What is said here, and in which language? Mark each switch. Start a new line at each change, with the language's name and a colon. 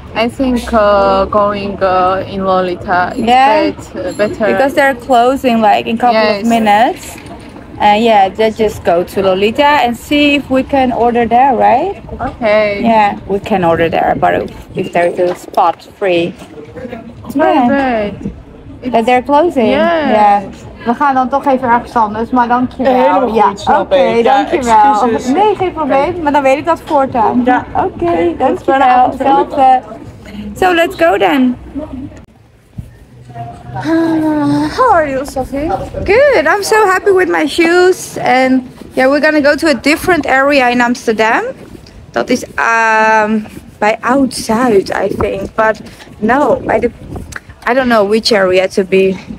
English: I think going in Lolita is better because they're closing like in a couple of minutes. And yeah, let's just go to Lolita and see if we can order there, right? Okay. Yeah, we can order there, but if there is a spot free. It's very good. That they're closing. Yes. Yeah.
Dutch: We gaan dan toch even ergens anders, maar dankjewel. Ja, oké, dankjewel. Nee, geen probleem, maar dan weet ik dat voortaan. Ja. Oké, dankjewel. Hetzelfde.
English: So, let's go then. How are you, Sophie? Good, I'm so happy with my shoes. And yeah, we're gonna go to a different area in Amsterdam.
Dutch: Dat is bij Oud-Zuid,
English: I think. But no, by the, I don't know which area to be.